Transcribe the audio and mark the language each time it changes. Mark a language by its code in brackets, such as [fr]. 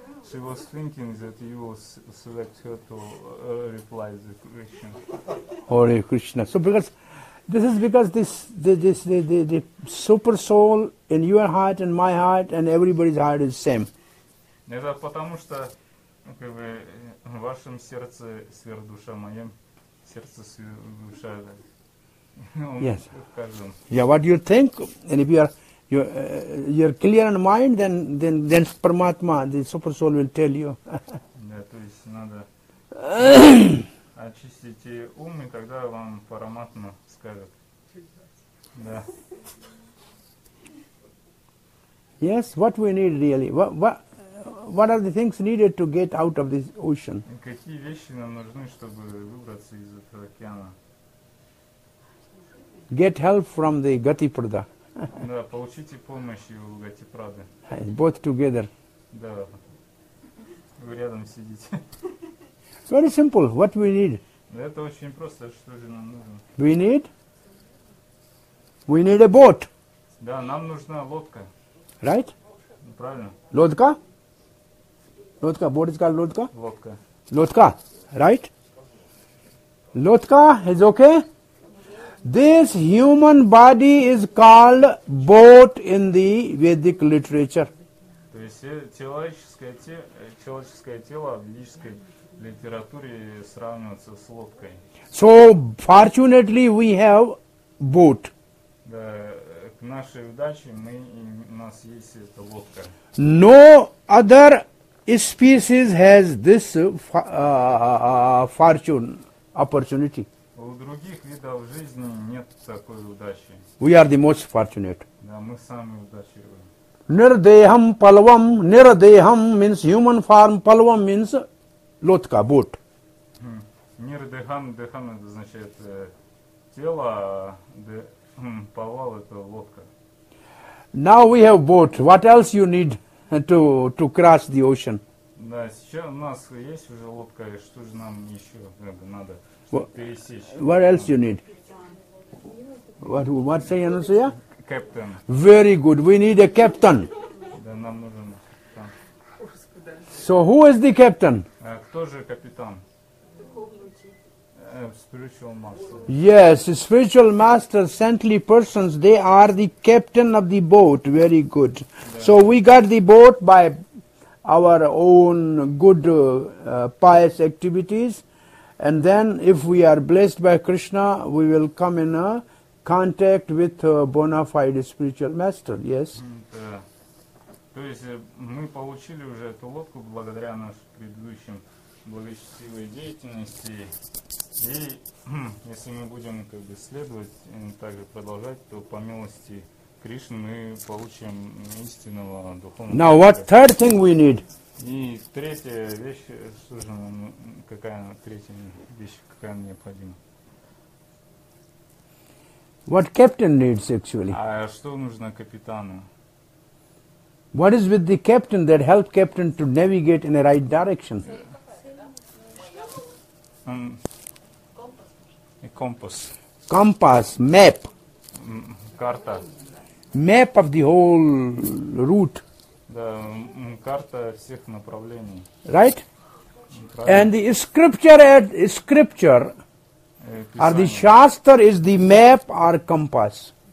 [en] She was thinking that you will select her to reply the question. Hare Krishna. So because this is because the super soul in your heart and my heart and everybody's heart is same. [ru] Это потому что как бы в вашем сердце сверхдуша, в моем сердце сверхдуша. [en] Yes. Yeah. What do you think? And if you are you're clear in mind, then Paramatma, the super soul, will tell you. [ru] Да, то есть надо очистить ум, и тогда вам Параматма скажет. Да. [en] Yes, what we need really? What are the things needed to get out of this ocean? [ru] Какие вещи нам нужны, чтобы выбраться из этого океана? [en] Get help from the Gatiprada. [ru] Да, получите помощь у Гатиправды. [en] Both together. [ru] Да. Вы рядом сидите. [en] Very simple. What we need? [ru] Да, это очень просто. Что же нам нужно? [en] We need a boat. [ru] Да, нам нужна лодка. [en] Right? [ru] Правильно. Лодка? Лодка. [en] Boat is called лодка? [ru] Лодка. [en] Лодка. Right? Лодка is okay? This human body is called boat in the Vedic literature. [ru] То есть человеческое тело в ведической литературе сравнивается с лодкой. [en] So fortunately we have boat. [ru] Да, к нашей удаче у нас есть эта лодка. [en] No other species has this fortune opportunity. [ru] У других видов жизни нет такой удачи. [en] We are the most fortunate. [ru] Да, мы самые удачливые. [en] Nirdeham palvam, nirdeham means human form, palvam means lotka, boat. [ru] Nirdeham, deham это означает тело, palval это лодка. [en] Now we have boat. What else you need to cross the ocean? [ru] Да, сейчас у нас есть уже лодка, и что же нам еще надо пересечь? [en] What else you need? What say, Anusuya? Captain. Very good. We need a captain. Да, нам нужен капитан. So who is the captain? Кто же капитан? Spiritual master. Yes, spiritual masters, saintly persons, they are the captain of the boat. Very good. Yeah. So we got the boat by our own good pious activities. And then if we are blessed by Krishna, we will come in a contact with a bona fide spiritual master, yes? [ru] То есть мы получили уже эту лодку благодаря нашим предыдущим благочестивой деятельности. И если мы будем как бы следовать и также продолжать, то по милости Кришны мы получим истинного духовного. [en] Now what third thing we need? [ru] И третья вещь, слушай, какая третья вещь, какая необходима? [en] What captain needs actually? [ru] Что нужно капитану? [en] What is with the captain that helped captain to navigate in the right direction? Compass. Compass, map. [ru] Карта. [en] Map of the whole route. [ru] Да, карта всех направлений. [en] Right? And the scripture. Or the Shastra is the map or compass.